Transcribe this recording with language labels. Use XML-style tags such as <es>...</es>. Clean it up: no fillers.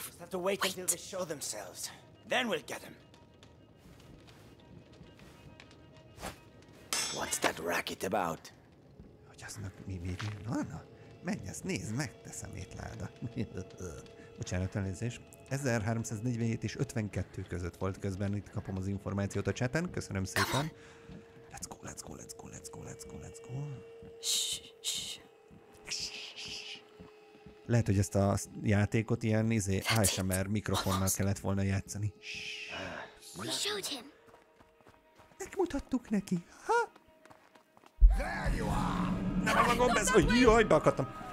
<en>We have to wait until they show themselves. Then we'll get him. What's that racket about?</en> <hu>Hogy az meg mi van? Menj, ezt nézd meg, te szemétláda. Bocsánat, elnézést. 1347 és 52 között volt közben. Itt kapom az információt a cseten. Köszönöm szépen.</hu> <en>Let's go, let's go, let's go, let's go, let's go, let's go.</en> <hu>Lehet, hogy ezt a játékot ilyen ASMR mikrofonnal kellett volna játszani.</hu> <en>We showed him.</en> <hu>Megmutattuk neki. Ha?</hu> <en>There you are!</en> <hu>Nem a magam ez, hogy jaj, beakadtam!</hu>